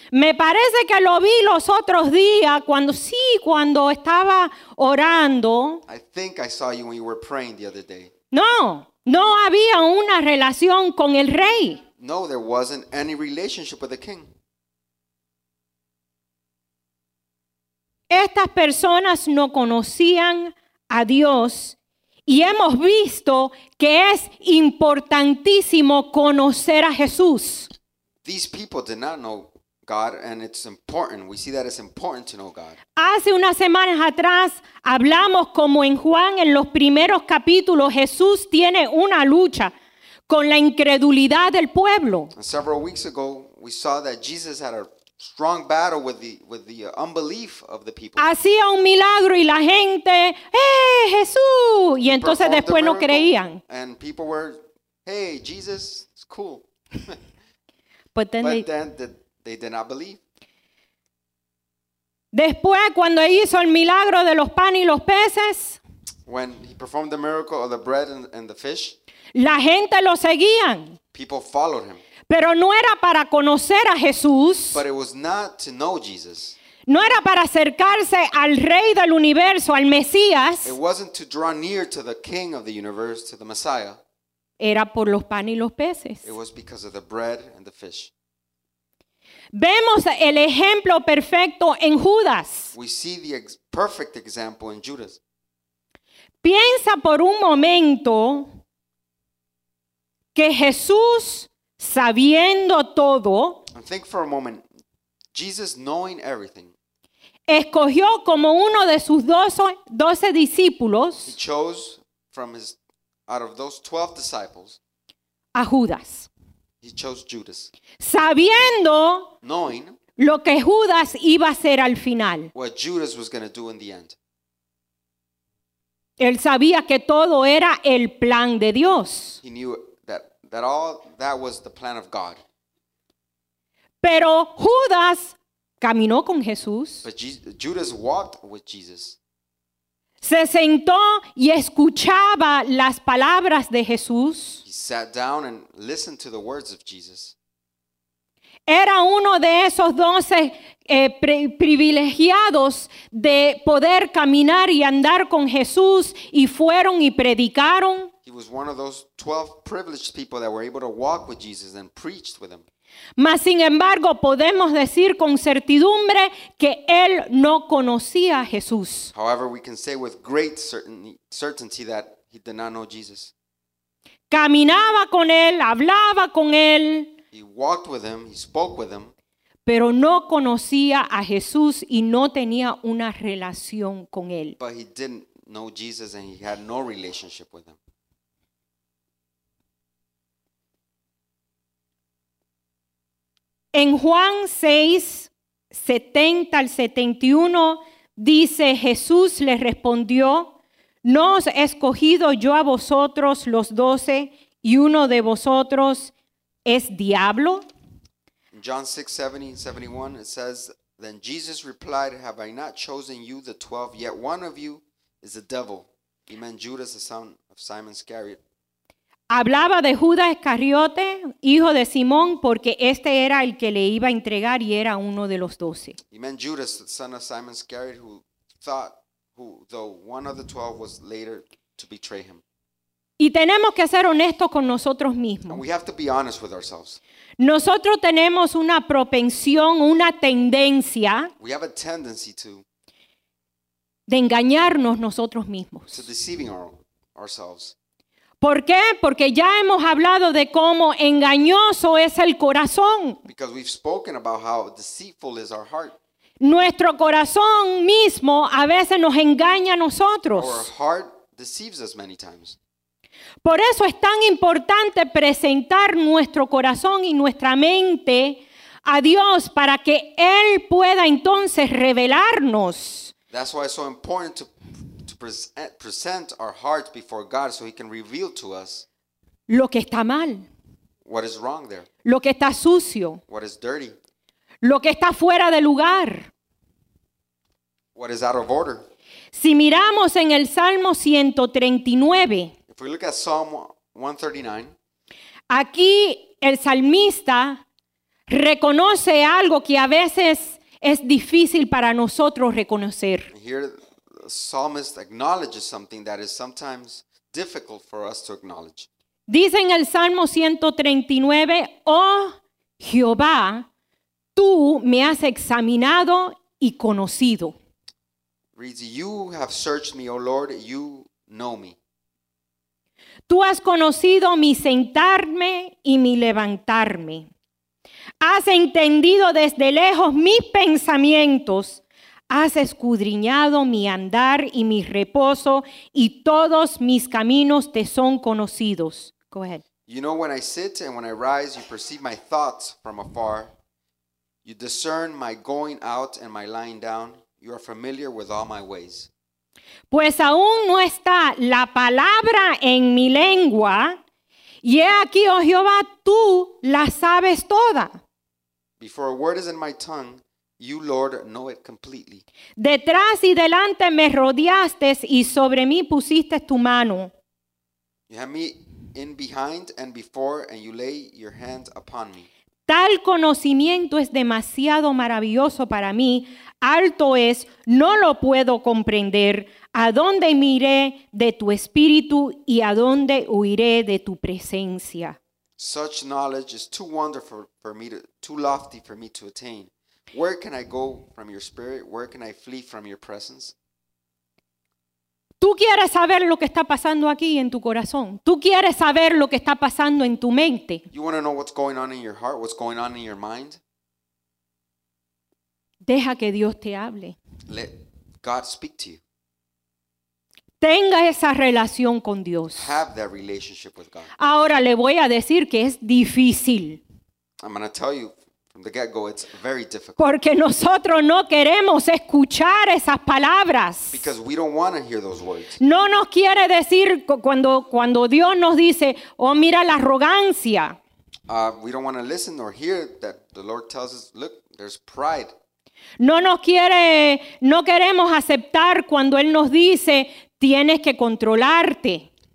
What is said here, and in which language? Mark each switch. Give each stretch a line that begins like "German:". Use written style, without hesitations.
Spanish: Me parece que lo vi los otros días cuando estaba orando.
English: I think I saw you when you were praying the other day.
Spanish: No. No había una relación con el rey.
English: No, there wasn't any relationship with the king.
Spanish: Estas personas no conocían a Dios. Y hemos visto que es importantísimo conocer a Jesús.
English: These people did not know God, and it's important. We see that it's important to know God.
Spanish: Hace unas semanas atrás hablamos como en Juan, en los primeros capítulos, Jesús tiene una lucha con la incredulidad del pueblo.
English: And several weeks ago, we saw that Jesus had a strong battle with the unbelief of the people.
Spanish: Hacía un milagro y la gente, ¡eh, Jesús! Y entonces después no creían.
English: And people were, hey, Jesus, it's cool. But then they did not believe.
Spanish: Después, cuando hizo el milagro de los panes y los peces,
English: when he performed the miracle of the bread and the fish,
Spanish: la gente lo seguían.
English: People followed him.
Spanish: Pero no era para conocer a Jesús.
English: But it was not to know Jesus.
Spanish: No era para acercarse al Rey del Universo, al Mesías.
English: It wasn't to draw near to the King of the Universe, to the Messiah.
Spanish: Era por los panes y los peces.
English: It was because of the bread and the fish.
Spanish: Vemos el ejemplo perfecto en Judas.
English: We see the perfect example in Judas.
Spanish: Piensa por un momento que Jesús, sabiendo todo,
English: and think for a moment, Jesus knowing everything,
Spanish: escogió como uno de sus 12 discípulos,
English: he chose from his, out of those 12 disciples,
Spanish: a Judas.
English: He chose Judas.
Spanish: Sabiendo,
English: knowing,
Spanish: lo que Judas iba a hacer al final.
English: What Judas was going to do in the end.
Spanish: Él sabía que todo era el plan de Dios.
English: He knew that all that was the plan of God.
Spanish: Pero Judas caminó con Jesús.
English: But Judas walked with Jesus.
Spanish: Se sentó y escuchaba las palabras de Jesús.
English: He sat down and listened to the words of Jesus.
Spanish: Era uno de esos 12 privilegiados de poder caminar y andar con Jesús, y fueron y predicaron.
English: He was one of those 12 privileged people that were able to walk with Jesus and preached with him.
Spanish: Mas sin embargo, podemos decir con certidumbre que él no conocía a Jesús.
English: However, we can say with great certainty that he did not know Jesus.
Spanish: Caminaba con él, hablaba con él.
English: He walked with him, he spoke with him.
Spanish: Pero no conocía a Jesús y no tenía una relación con él.
English: But he didn't know Jesus and he had no relationship with him.
Spanish: En Juan 6, 70 al 71, dice, Jesús le respondió, no os he escogido yo a vosotros los 12, y uno de vosotros es diablo.
English: In John 6, 70 and 71, it says, then Jesus replied, have I not chosen you the 12, yet one of you is the devil. He meant Judas, the son of Simon Iscariot.
Spanish: Hablaba de Judas Iscariote, hijo de Simón, porque este era el que le iba a entregar y era uno de los 12.
English: He meant Judas, the son of Simon Iscariot, who thought, who, though one of the 12 was later to betray him.
Spanish: Y tenemos que ser honestos con nosotros mismos.
English: And we have to be honest with ourselves.
Spanish: Nosotros tenemos una propensión, una tendencia.
English: We have a tendency to.
Spanish: De engañarnos nosotros mismos.
English: To deceiving ourselves.
Spanish: ¿Por qué? Porque ya hemos hablado de cómo engañoso es el corazón.
English: Because we've spoken about how deceitful is our heart.
Spanish: Nuestro corazón mismo a veces nos engaña a nosotros.
English: Our heart deceives us many times.
Spanish: Por eso es tan importante presentar nuestro corazón y nuestra mente a Dios para que Él pueda entonces revelarnos.
English: That's why it's so important to present our hearts before God so He can reveal to us
Spanish: lo que está mal.
English: What is wrong there.
Spanish: Lo que está sucio.
English: What is dirty.
Spanish: Lo que está fuera de lugar.
English: What is out of order.
Spanish: Si miramos en el Salmo 139.
English: If we look at Psalm 139.
Spanish: Aquí el salmista reconoce algo que a veces es difícil para nosotros reconocer.
English: Here the psalmist acknowledges something that is sometimes difficult for us to acknowledge.
Spanish: Dice en el Salmo 139, oh Jehová, tú me has examinado y conocido.
English: Reads, you have searched me, O Lord, you know me.
Spanish: Tú has conocido mi sentarme y mi levantarme. Has entendido desde lejos mis pensamientos. Has escudriñado mi andar y mi reposo, y todos mis caminos te son conocidos.
English: Go ahead. You know when I sit and when I rise, you perceive my thoughts from afar. You discern my going out and my lying down. You are familiar with all my ways.
Spanish: Pues aún no está la palabra en mi lengua, y he aquí, oh Jehová, tú la sabes toda.
English: Before a word is in my tongue, you, Lord, know it completely.
Spanish: Detrás y delante me rodeaste y sobre mí pusiste tu mano.
English: You have me in behind and before, and you lay your hand upon me.
Spanish: Tal conocimiento es demasiado maravilloso para mí. Alto es, no lo puedo comprender. ¿A dónde miré de tu espíritu y a dónde huiré de tu presencia?
English: Such knowledge is too wonderful for me, too lofty for me to attain. Where can I go from your spirit? Where can I flee from your presence?
Spanish: Tú quieres saber lo que está pasando aquí en tu corazón. Tú quieres saber lo que está pasando en tu mente.
English: You want to know what's going on in your heart, what's going on in your mind?
Spanish: Deja que Dios te hable.
English: Let God speak to you.
Spanish: Tenga esa relación con Dios.
English: Have that relationship with God.
Spanish: Ahora le voy a decir que es difícil.
English: I'm going to tell you from the get-go, it's very difficult.
Spanish: Porque nosotros no queremos escuchar esas palabras.
English: Because we don't want to hear those words.
Spanish: No nos quiere decir cuando Dios nos dice, oh, mira la arrogancia.
English: We don't want to listen or hear that the Lord tells us, look, there's pride.
Spanish: No queremos aceptar cuando Él nos dice, tienes que controlarte.